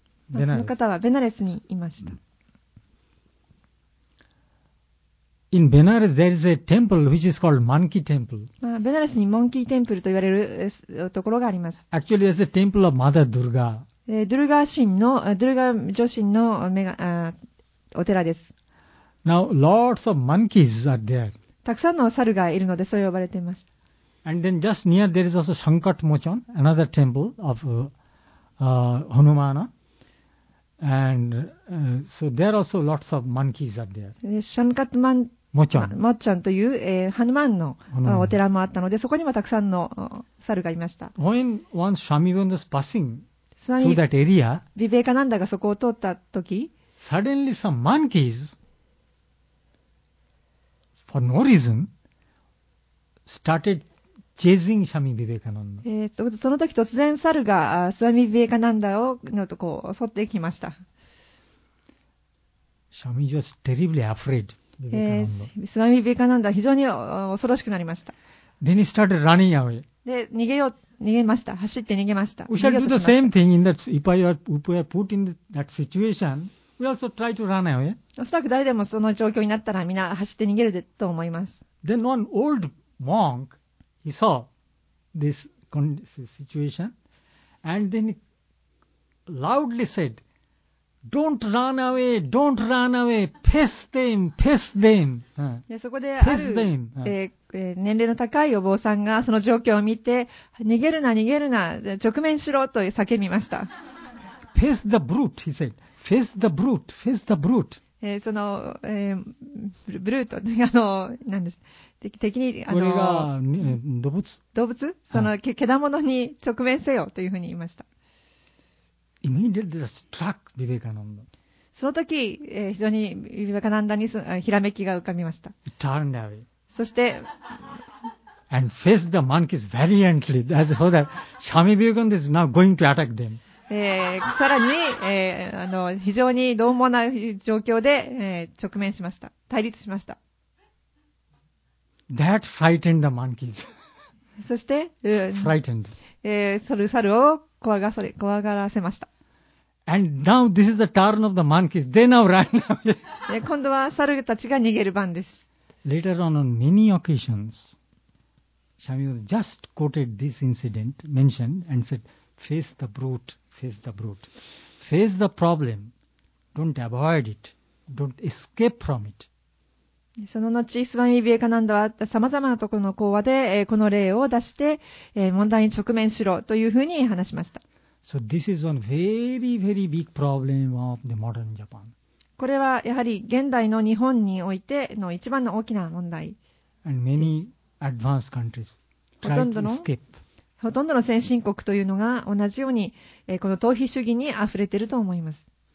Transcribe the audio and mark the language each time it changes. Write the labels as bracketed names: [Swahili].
[Japanese] その方はベナレスにいました。 [English] In Benares, there is a temple which is called Monkey Temple. [Japanese] ベナレスにモンキーテンプルと言われるところがあります。 [English] Actually, there's a temple of Mother Durga. [Japanese] ドゥルガ女神のお寺です。 [English] Now, lots of monkeys are there. [Japanese] たくさんの猿がいるので、そう呼ばれています。 [English] And then just near there is also Sankat Mochan, another temple of Hanumana. And so there also lots of monkeys are there. [Japanese] Shankat Mochan という、Hanuman のお寺もあったので、そこにもたくさんの猿がいました。 [English] When once Swami was passing through that area, [Japanese] Vivekananda がそこを通った時、 [English] suddenly some monkeys for no reason, started chasing Swami Vivekananda. [Japanese] その時突然猿がスワミビベカナンダをのとこ襲ってきました。 [English] Swami was terribly afraid. [Japanese] スワミビベカナンダ非常に恐ろしくなりました。 [English] Then he started running away. [Japanese] で逃げよう逃げました。走って逃げました。 [English] We shall do the same thing in that if I were, if were put in that situation. We also try to run away. [Japanese] おそらく誰でもその状況になったらみんな走って逃げると思います。 [English] Then one old monk, he saw this situation and then he loudly said, Don't run away, don't run away, face them, face them. [Japanese] でそこである、年齢の高いお坊さんがその状況を見て、逃げるな、逃げるな、直面しろと叫びました。 [English] Face the brute, he said. Face the brute, face the brute. [Japanese] その、ブルート、なんです。敵に、これが、動物。動物その、けだものに直面せよというふうに言いました。 [English] Immediately struck Vivekananda. [Japanese] その時、非常にヴィヴェカナンダにひらめきが浮かびました。 [English] Turned away. [Japanese] そして、 [English] And faced the monkeys valiantly. That's so that Swami Vivekananda is now going to attack them. [Japanese] さらに、非常に獰猛な状況で、直面しました。対立しました。 [English] That frightened the monkeys. [Japanese] そして、 [English] frightened. [Japanese] それ猿を怖がらせました。 [English] And now this is the turn of the monkeys. They now run away. [Japanese] 今度は猿たちが逃げる番です。 [English] Later on many occasions, Swami just quoted this incident mentioned and said, face the brute. Face the brute. Face the problem. Don't avoid it. Don't escape from it. [Japanese] その後、スワミ・ビエカナンダは様々なところの講話で、この例を出して、問題に直面しろというふうに話しました。 [English] So this is one very, very big problem of the modern Japan. [Japanese] これはやはり現代の日本においての一番の大きな問題。 [English] And many advanced countries try to escape. [Japanese] ほとんどの先進国というのが同じように、この逃避主義にあふれていると思います。